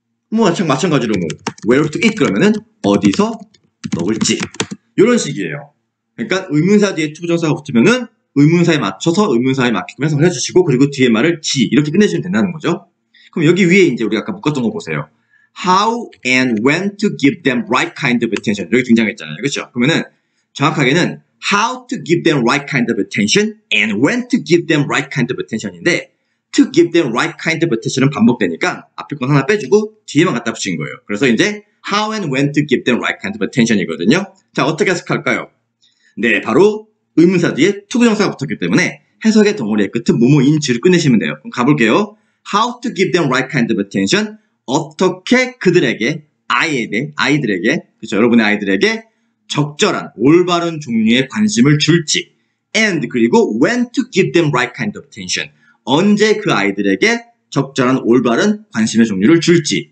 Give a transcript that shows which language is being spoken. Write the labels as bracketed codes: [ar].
[ko] 뭐 마찬가지로 뭐 [en] where to eat [ko] 그러면은 어디서 먹을지 이런 식이에요. 그러니까 의문사 뒤에 투부정사가 붙으면은 의문사에 맞춰서 의문사에 맞게끔 해석을 해주시고, 그리고 뒤에 말을 지 이렇게 끝내주면 된다는 거죠. 그럼 여기 위에 이제 우리가 아까 묶었던 거 보세요. [en] How and when to give them right kind of attention. [ko] 여기 등장했잖아요, 그렇죠? 그러면은 정확하게는 [en] how to give them right kind of attention and when to give them right kind of attention인데, to give them right kind of attention [ko] 은 반복되니까 앞에 건 하나 빼주고 뒤에만 갖다 붙인 거예요. 그래서 이제 [en] how and when to give them right kind of attention [ko] 이거든요. 자, 어떻게 해석할까요? 네, 바로 의문사 뒤에 투부정사가 붙었기 때문에 해석의 덩어리의 끝은 뭐뭐인지를 끝내시면 돼요. 그럼 가볼게요. [en] How to give them right kind of attention. [ko] 어떻게 그들에게, 아이에게, 아이들에게, 그렇죠? 여러분의 아이들에게 적절한, 올바른 종류의 관심을 줄지. [en] And [ko] 그리고 [en] when to give them right kind of attention. [ko] 언제 그 아이들에게 적절한, 올바른 관심의 종류를 줄지.